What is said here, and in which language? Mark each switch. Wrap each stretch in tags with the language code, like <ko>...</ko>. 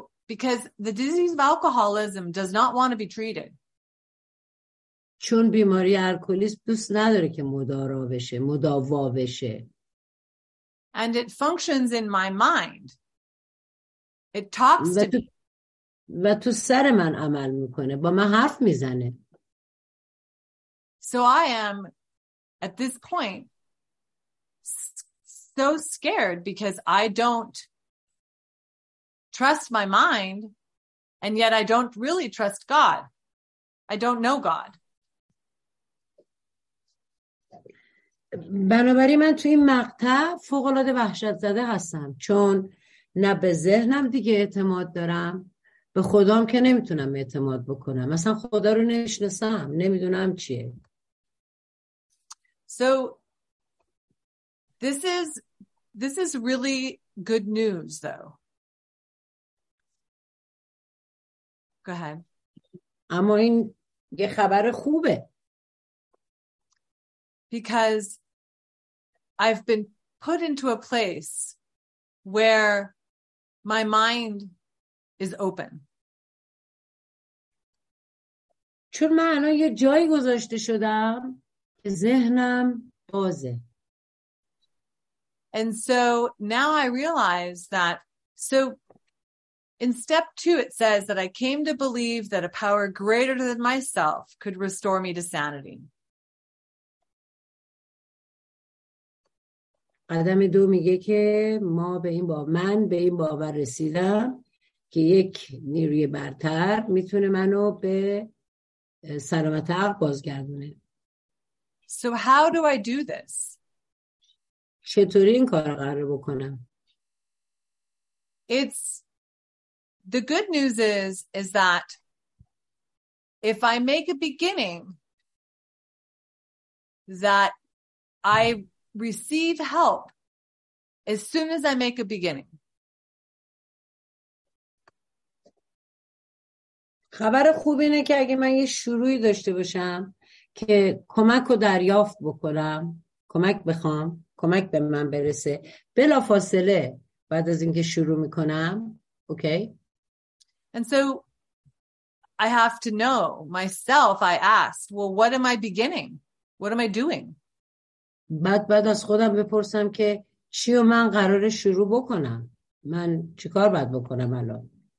<en>Because the disease of alcoholism does not want to be treated.</en> <fa>چون بیماری الکلیسم دوست نداره که مدارا بشه، مداوا بشه.</fa> <en>And it functions in my mind. It talks to me.</en> <fa>و تو سر من عمل میکنه، با من حرف میزنه.</fa> <en>So I am at this point so scared because I don't trust my mind, and yet I don't really trust God. I don't know God.</en> <fa>بنابراین من تو این مقطع فوق‌العاده وحشت زده هستم، چون نه به ذهنم دیگه اعتماد دارم، به خودم که نمیتونم اعتماد بکنم، مثلا خدا رو نشناسم، نمیدونم چیه.</fa> <en>So this is really good news though. Go ahead.</en> <fa>اما این یه خبر خوبه.</fa> <en>Because I've been put into a place where my mind is open.</en> <fa>چون من الان یه جایی گذاشته شدم که ذهنم بازه.</fa> <en>And so now I realize that, so in step two it says that I came to believe that a power greater than myself could restore me to sanity.</en> <fa>قدم دو میگه که من به این باور رسیدم که یک نیروی برتر میتونه منو به سلامت عقل بازگردونه.</fa> <en>So how do I do this?</en> <fa>چطوری این کار قرار بکنم؟</fa> <en>It's the good news is that if I make a beginning that I receive help as soon as I make a beginning.</en> <fa>خبر خوب اینه که اگه من یه شروعی داشته باشم که کمک رو دریافت بکنم، کمک بخوام، کمک به من برسه بلافاصله بعد از اینکه شروع میکنم. اوکی.</fa> <en>And so I have to know myself, I asked, well, what am I beginning? What am I doing?</en> <fa>بعد از خودم بپرسم که چی رو من قراره شروع بکنم، من چی کار باید بکنم الان.</fa>